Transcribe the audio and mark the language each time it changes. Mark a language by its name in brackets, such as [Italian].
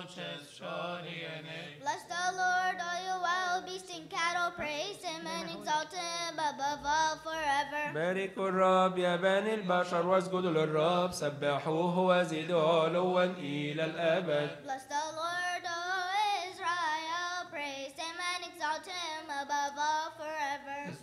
[English] Bless the Lord, all you wild beasts and cattle, praise him and exalt him above all forever. [Arabic] بارك الرب يا بني البشر واسجدوا للرب سبحوه وزيدوا علوا إلى الأبد. [English] Bless the Lord, O Israel, praise him and exalt him above all forever.